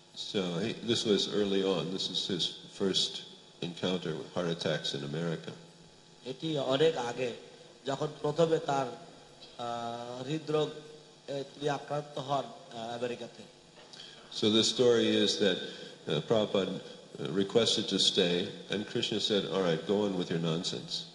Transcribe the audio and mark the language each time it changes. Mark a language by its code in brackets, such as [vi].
[en] So this was early on, this is his first encounter with heart attacks in America. [bn] এটি অনেক আগে যখন প্রথমে তার হৃদরোগ তিনি আক্রান্ত হন আমেরিকাতে। [en] So the story is that Prabhupada requested to stay and Krishna said, all right, go on with your nonsense.